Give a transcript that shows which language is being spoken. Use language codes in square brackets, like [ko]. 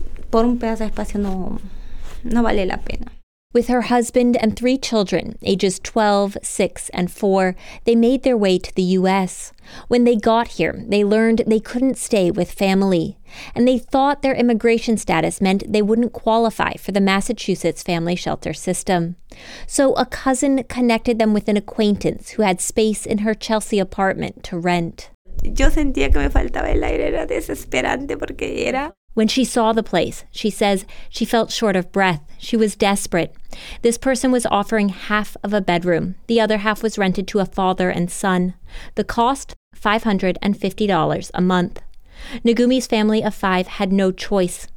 [es] Por un pedazo de espacio no, no vale la pena. [en] With her husband and three children, ages 12, 6, and 4, they made their way to the U.S. When they got here, they learned they couldn't stay with family. And they thought their immigration status meant they wouldn't qualify for the Massachusetts family shelter system. So a cousin connected them with an acquaintance who had space in her Chelsea apartment to rent. [es] Yo sentía que me faltaba el aire, era desesperante porque era... [en] When she saw the place, she says she felt short of breath. She was desperate. This person was offering half of a bedroom. The other half was rented to a father and son. The cost, $550 a month. Nagumi's family of five had no choice.